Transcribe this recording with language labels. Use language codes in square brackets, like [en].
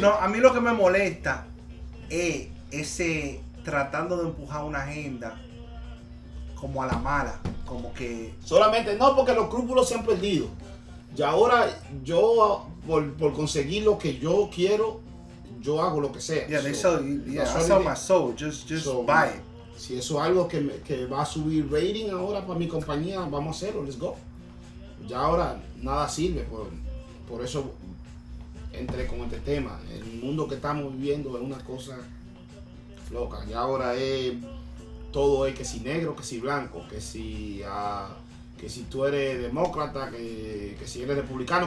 [es] No, a mí lo que me molesta es ese tratando de empujar una agenda como a la mala, como que... Solamente no, porque los escrúpulos se han perdido. Y ahora yo, por conseguir lo que yo quiero, yo hago lo que sea. [en] Yeah, that's on my soul, just buy it. [es] Si eso es algo que va a subir rating ahora para mi compañía, vamos a hacerlo, [en] let's go. [es] Ya ahora nada sirve, por eso entré con este tema. El mundo que estamos viviendo es una cosa loca. Ya ahora todo es que si negro, que si blanco, que si tú eres demócrata, que si eres republicano,